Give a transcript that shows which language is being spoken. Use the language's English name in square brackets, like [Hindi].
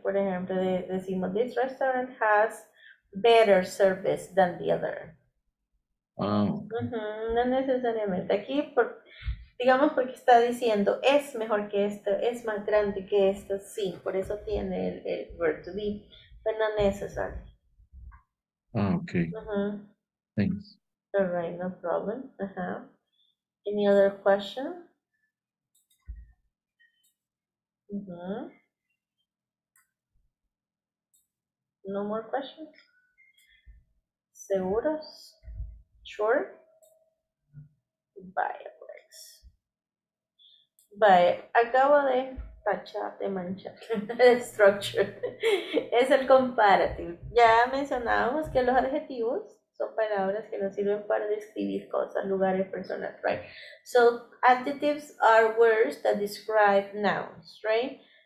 [Spanish] Por ejemplo, decimos, [English] this restaurant has better service than the other. Ah. Okay. [Spanish] Uh-huh. No necesariamente. Aquí, por, digamos porque está diciendo, es mejor que esto, es más grande que esto, sí, por eso tiene el verb to be, pero no necesario. [English] Ah, okay. Uh-huh. Thanks. All right, no problem. Uh-huh. Any other question? Mm-hmm. No more questions? [Spanish] Seguros? [English] Sure? Bye, pues. Bye. [Spanish] Acabo de tachar, de manchar el structure. Es el comparative. Ya mencionábamos que los adjetivos son palabras que nos sirven para describir cosas, lugares, personas, right? [English] So, adjectives are words that describe nouns, right?